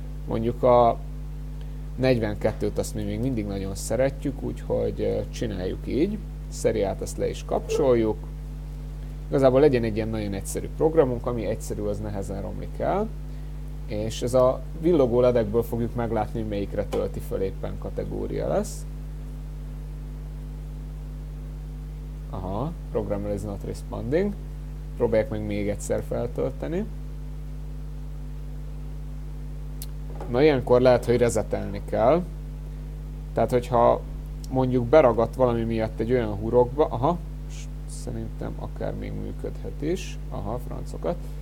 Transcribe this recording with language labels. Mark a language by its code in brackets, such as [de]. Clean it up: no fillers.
[hu] Mondjuk a 42-t azt mi még mindig nagyon szeretjük, úgyhogy csináljuk így. Szeriát azt le is kapcsoljuk. Igazából legyen egy ilyen nagyon egyszerű programunk, ami egyszerű, az nehezen romlik el. És ez a villogó ledekből fogjuk meglátni, melyikre tölti föl éppen kategória lesz. [en] Aha, programmer is not responding. [hu] Próbálják meg még egyszer feltölteni. Na ilyenkor lehet, hogy resetelni kell. Tehát, hogyha mondjuk beragadt valami miatt egy olyan hurokba, aha, szerintem akár még működhet is. Aha, francokat.